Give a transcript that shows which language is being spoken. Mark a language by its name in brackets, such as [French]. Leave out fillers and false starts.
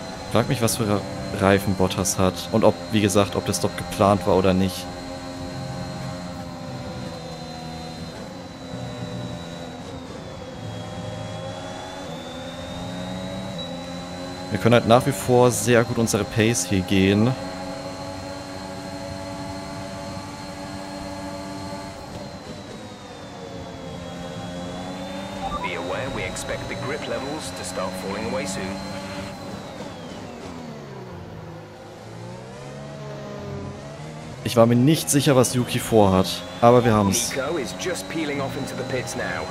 [German] Frag mich, was für Reifen Bottas hat. Und ob, wie gesagt, ob der Stop geplant war oder nicht. Wir können halt nach wie vor sehr gut unsere Pace hier gehen. [English] Be aware, we expect the grip levels to start falling away soon. [German] Ich war mir nicht sicher, was Yuki vorhat, aber wir haben's. [English] Nico is just peeling off into the pits now.